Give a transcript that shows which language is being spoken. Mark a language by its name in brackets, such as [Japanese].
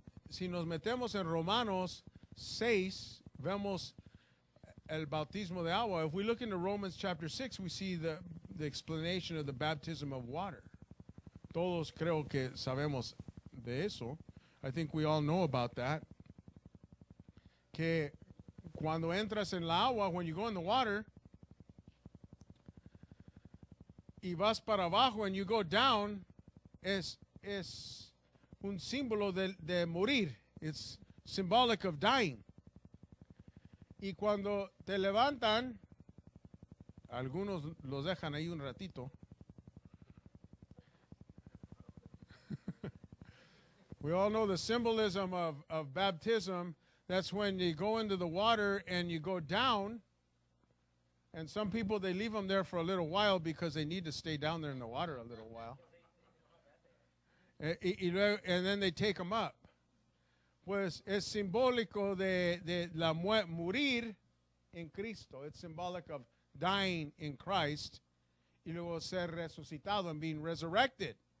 [Spanish] Si nos metemos en Romanos 6, vemos el bautismo de agua. [English] If we look into Romans chapter 6, we see the explanation of the baptism of water. [Spanish] Todos creo que sabemos de eso. [English] I think we all know about that. [Spanish] Que cuando entras en la agua, [English] when you go in the water, [Spanish] y vas para abajo [English] and you go down, [Spanish] es un símbolo de morir. [English] It's symbolic of dying. [Spanish] Y cuando te levantan, algunos los dejan ahí un ratito. [English] We all know the symbolism of baptism. That's when you go into the water and you go down. And some people, they leave them there for a little while because they need to stay down there in the water a little while. And then they take them up. [Spanish] Pues es simbólico de la morir en Cristo. [English] It's symbolic of dying in Christ [Spanish] y luego ser resucitado [English] and being resurrected.